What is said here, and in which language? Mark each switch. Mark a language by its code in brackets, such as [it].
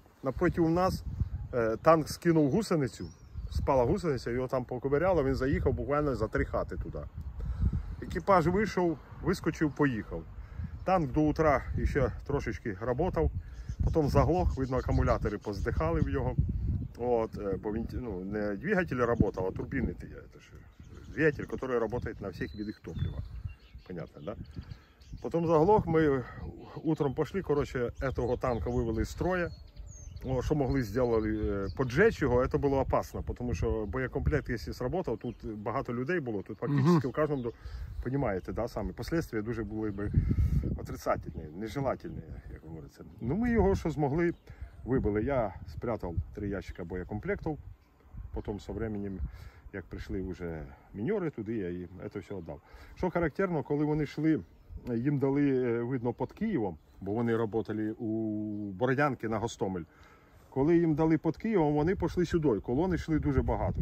[uk] Напротив нас танк скинув гусеницю, спала гусениця, його там поковиряло, він заїхав буквально за три хати туди. Екіпаж вийшов, вискочив, поїхав. Танк до утра ще трошечки працював, потім заглох, видно, акумулятори поздихали в його. От, бо він, ну, не двигатель працював, а турбіни ті, це ж. [ru] Двигатель, который работает на всех видах топлива. Понятно, да? Потом заглох, мы утром пошли, короче, этого танка вывели из строя. Ну, что могли сделали, поджечь его, это было опасно, потому что боекомплект, если сработал, тут много людей было, тут фактически в каждом, понимаете, да, сами последствия дуже были бы отрицательные, нежелательные, как говорится. Ну, мы его, что смогли, вибили. Я спрятал 3 ящика боекомплектов, потом со временем [uk] як прийшли вже міньори туди, я їм це все віддав. Що характерно, коли вони йшли, їм дали, видно, під Києвом, бо вони працювали у Бородянки на Гостомель. Коли їм дали під Києвом, вони пішли сюди. Колони йшли дуже багато.